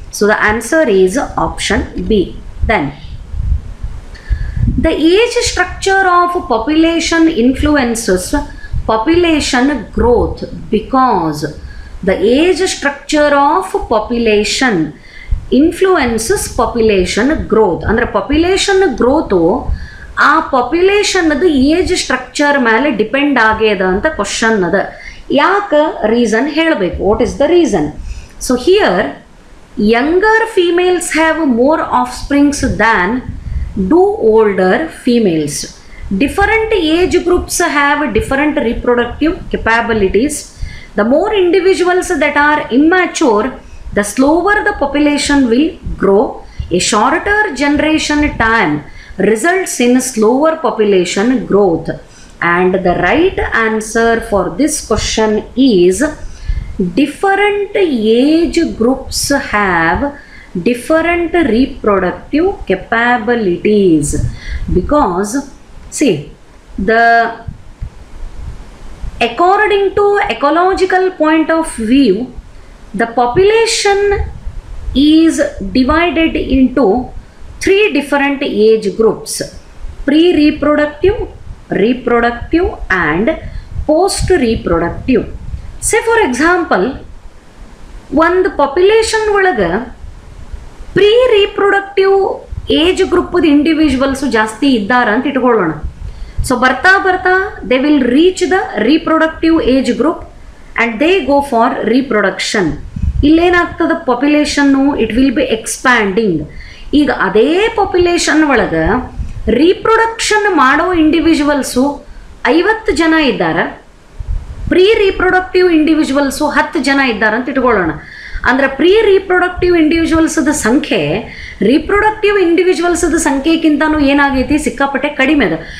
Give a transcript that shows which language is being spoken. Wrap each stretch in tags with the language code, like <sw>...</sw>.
<en>So the answer is option B. Then the age structure of population influences population growth, because the age structure of population influences population growth.</en> <kn>Andra population growth ಆ population ಅದು age structure ಮೇಲೆ depend ಆಗ್ಯದ ಅಂತ question ಅದ. ಯಾಕೆ reason ಹೇಳಬೇಕು,</kn> <en>What is the reason? So here younger females have more offsprings than do older females. Different age groups have different reproductive capabilities. The more individuals that are immature, the slower the population will grow. A shorter generation time results in slower population growth. And the right answer for this question is different age groups have different reproductive capabilities. Because see, the according to ecological point of view, the population is divided into three different age groups: pre-reproductive, reproductive and post-reproductive. Say for example, one the population olaga pre-reproductive age group the individuals</en> <kn>jaasti iddara ant itkolona.</kn> <en>So bartha bartha they will reach the reproductive age group and they go for reproduction. Illenagta the population nu it will be expanding.</en> <kn>ಈಗ ಅದೇ population ಒಳಗೆ reproduction ಮಾಡೋ individuals 50 ಜನ ಇದ್ದಾರೆ, pre reproductive individuals 10 ಜನ ಇದ್ದಾರೆ ಅಂತ ಇಟ್ಕೊಳ್ಳೋಣ. ಅಂದರೆ ಪ್ರೀ ರೀಪ್ರೊಡಕ್ಟಿವ್ ಇಂಡಿವಿಜುವಲ್ಸದ ಸಂಖ್ಯೆ ರೀಪ್ರೊಡಕ್ಟಿವ್ ಇಂಡಿವಿಜುವಲ್ಸದ ಸಂಖ್ಯೆಗಿಂತನೂ ಏನಾಗೈತಿ, ಸಿಕ್ಕಾಪಟ್ಟೆ ಕಡಿಮೆ ಅದ.</kn>